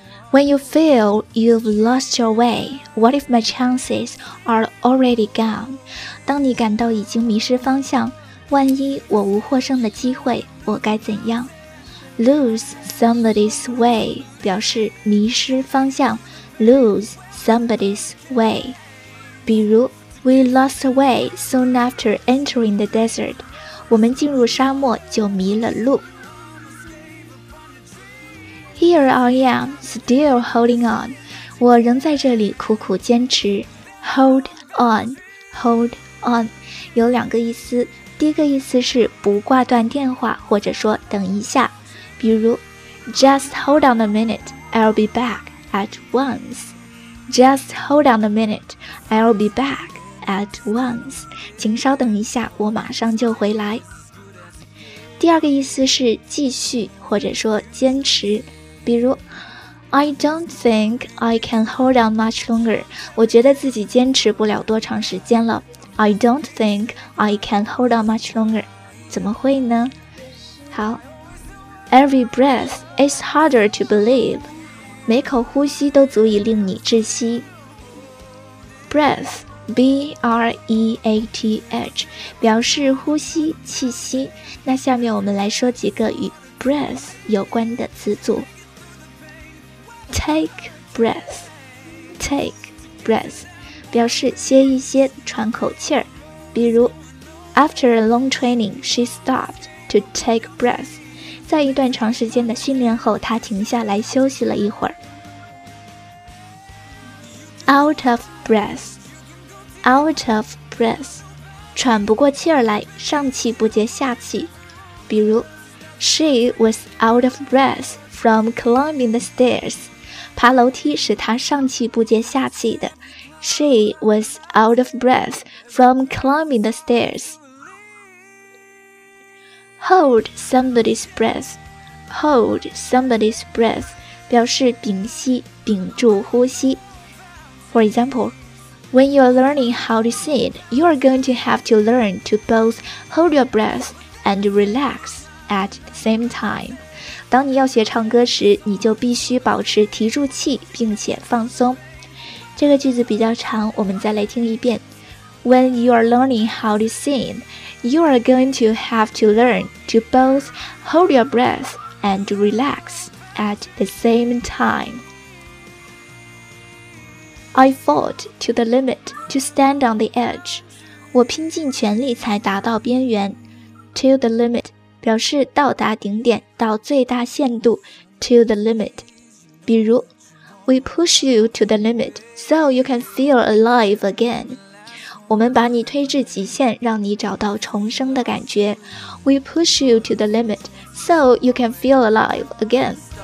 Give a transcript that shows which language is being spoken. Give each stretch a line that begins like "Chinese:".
English: When you feel you've lost your way, what if my chances are already gone?
Chinese: 当你感到已经迷失方向，万一我无获胜的机会，我该怎样？
English: Lose somebody's way
Chinese: 表示迷失方向，
English: Lose somebody's way。比如 We lost our way soon after entering the desert，
Chinese: 我们进入沙漠就迷了路。
English: Here I am, still holding on.
Chinese: 我仍在这里苦苦坚持。
English: Hold on, hold on.
Chinese: 有两个意思。第一个意思是不挂断电话，或者说等一下。
English: 比如 ,Just hold on a minute, I'll be back at once. Just hold on a minute, I'll be back at once.
Chinese: 请稍等一下，我马上就回来。第二个意思是继续，或者说坚持。
English: 比如 I don't think I can hold on much longer.
Chinese: 我觉得自己坚持不了多长时间了。
English: I don't think I can hold on much longer.
Chinese: 怎么会呢？好。
English: Every breath is harder to believe.
Chinese: 每口呼吸都足以令你窒息。 Breath, B-R-E-A-T-H, 表示呼吸、气息。那下面我们来说几个与 breath 有关的词组。 Take breath, take breath, 表示歇一歇，喘口气儿。
English: 比如 ,After a long training, she stopped to take breath.
Chinese: 在一段长时间的训练后，她停下来休息了一会儿。 Out of breath, out of breath, 喘不过气儿来，上气不接下气。
English: 比如 ,She was out of breath from climbing the stairs.
Chinese: 爬楼梯使他上气不接下气的。
English: She was out of breath from climbing the stairs. Hold somebody's breath. Hold somebody's breath
Chinese: 表示屏息、屏住呼吸。
English: For example, When you're learning how to sit, you're going to have to learn to both hold your breath and relax at the same time.
Chinese: 当你要学唱歌时，你就必须保持提住气并且放松。这个句子比较长，我们再来听一遍。
English: When you are learning how to sing, you are going to have to learn to both hold your breath and relax at the same time. I fought to the limit to stand on the edge.
Chinese: 我拼尽全力才达到边缘。 To the limit. 表示到达顶点，到最大限度 ,to the limit.
English: 比如 ,We push you to the limit so you can feel alive again.
Chinese: 我们把你推至极限，让你找到重生的感觉。
English: We push you to the limit so you can feel alive again.